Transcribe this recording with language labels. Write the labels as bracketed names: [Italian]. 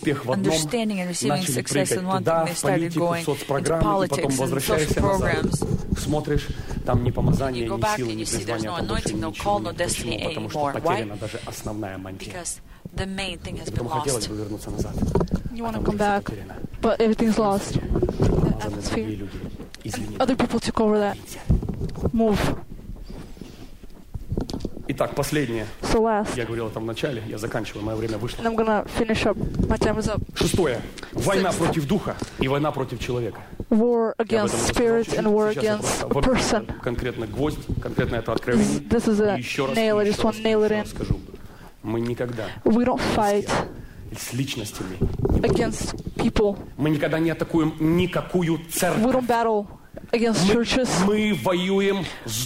[English] understanding and receiving success in one thing, they started going into politics and social programs. [Russian] Смотришь, там ни помазания, ни силы, ни призвания, там больше ничего нет. Потому что потеряна даже основная мантия. Поэтому хотелось бы вернуться назад. Потому что все потеряно. Помазанные другие люди. Извините. Итак, последнее. [English] So last. [Russian] Я говорил это в начале, я заканчиваю, мое время вышло. [English] And I'm gonna finish up. My time is up. [Russian] Шестое. Война против духа и война против человека. [English] War against spirit and war against a person. [Russian] Конкретно гвоздь, конкретно это откровение. [English] This is a nail, I just want to nail it in. [Russian] Скажу, мы никогда [English] we don't fight [Russian] с личностями. [English] Against people. [Russian] Мы никогда не атакуем никакую церковь. [English] We don't battle against churches. [Russian] Мы воюем с